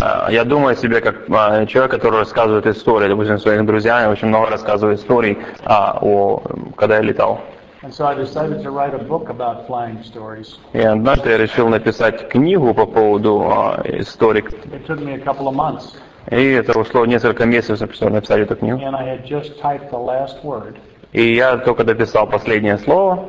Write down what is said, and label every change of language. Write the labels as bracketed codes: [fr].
[ru] Я думаю о себе как человек, который рассказывает истории, допустим, своим друзьям, я очень много рассказываю историй, когда я летал. [en] And so I decided to write a book about flying stories. [ru] И однажды я решил написать книгу по поводу историй. [en] It took me a couple of months. [ru] И это ушло несколько месяцев, написать эту книгу. [en] And I had just typed the last word. [ru] И я только дописал последнее слово.